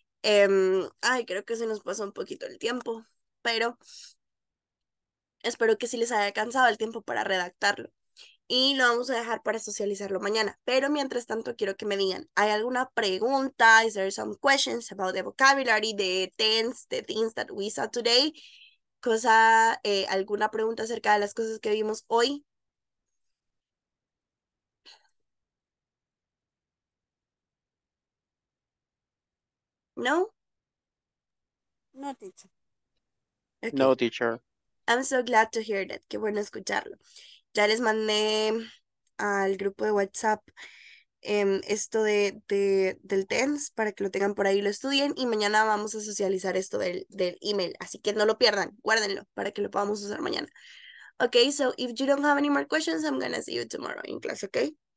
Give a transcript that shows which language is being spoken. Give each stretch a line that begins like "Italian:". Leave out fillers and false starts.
Spanish: Ay, creo que se nos pasó un poquito el tiempo, pero espero que sí les haya alcanzado el tiempo para redactarlo. Y lo vamos a dejar para socializarlo mañana. Pero mientras tanto, quiero que me digan, ¿hay alguna pregunta?
English: Is there some questions about the vocabulary, the tense, the things that we saw today?
Spanish: Cosa, ¿alguna pregunta acerca de las cosas que vimos hoy? No?
English: No, teacher. Okay. No, teacher. I'm so glad to hear that.
Spanish: Qué bueno escucharlo. Ya les mandé al grupo de WhatsApp esto del TENS para que lo tengan por ahí y lo estudien. Y mañana vamos a socializar esto del email. Así que no lo pierdan, guárdenlo para que lo podamos usar mañana.
English: Ok, so if you don't have any more questions, I'm gonna see you tomorrow in class, ok?